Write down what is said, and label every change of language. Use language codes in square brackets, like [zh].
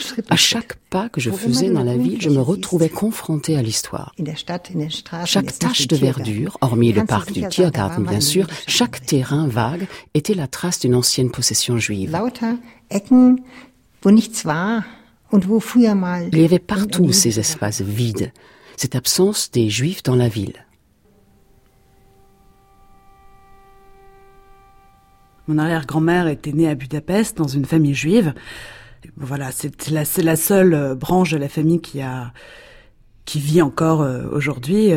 [fr] À chaque pas que je faisais dans la ville, je me retrouvais confrontée à l'histoire. Chaque tache de verdure, hormis le parc du Tiergarten bien sûr, chaque terrain vague était la trace d'une ancienne possession juive. [de] Lauter Ecken, wo nichts war. [fr] Il y avait partout ces espaces vides, cette absence des Juifs dans la ville. Mon arrière-grand-mère était née à Budapest dans une famille juive. Voilà, c'est la seule branche de la famille qui vit encore aujourd'hui.